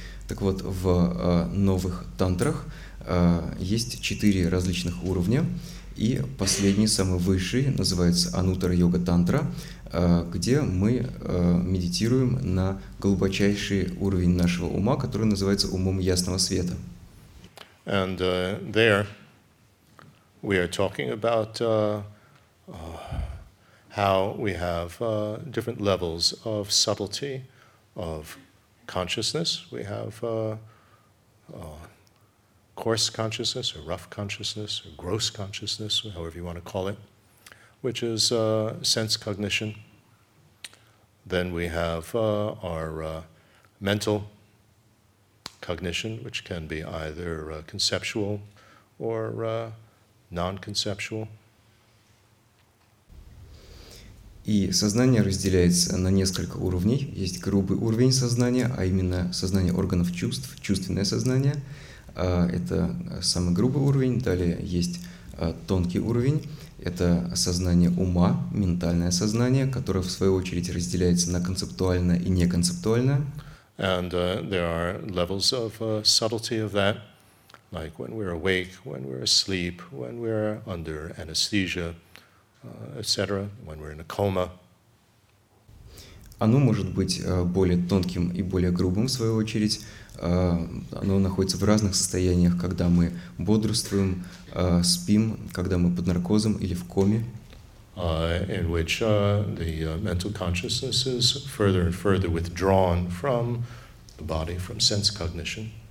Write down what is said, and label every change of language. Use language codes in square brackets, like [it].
[ru] Так вот, в новых тантрах есть четыре различных уровня, и последний, самый высший, называется Анутара-йога-тантра, где мы медитируем на глубочайший уровень нашего ума, который называется умом ясного света. [en] And there we are talking about how we have different levels of subtlety of consciousness. We have coarse consciousness or rough consciousness or gross consciousness, however you want to call it, which is sense cognition. Then we have our mental cognition, which can be either conceptual or non-conceptual. [ru] И сознание разделяется на несколько уровней. Есть грубый уровень сознания, а именно сознание органов чувств, чувственное сознание. Это самый грубый уровень. Далее есть тонкий уровень. Это сознание ума, ментальное сознание, которое, в свою очередь, разделяется на концептуальное и неконцептуальное. [en] And there are levels of subtlety of that, like when we're awake, when we're asleep, when we're under anesthesia, etc., when we're in a coma. [ru] Оно может быть более тонким и более грубым, в свою очередь. Оно находится в разных состояниях, когда мы бодрствуем, спим, когда мы под наркозом или в коме. [en] In which the mental consciousness is further and further withdrawn from the body, from sense cognition.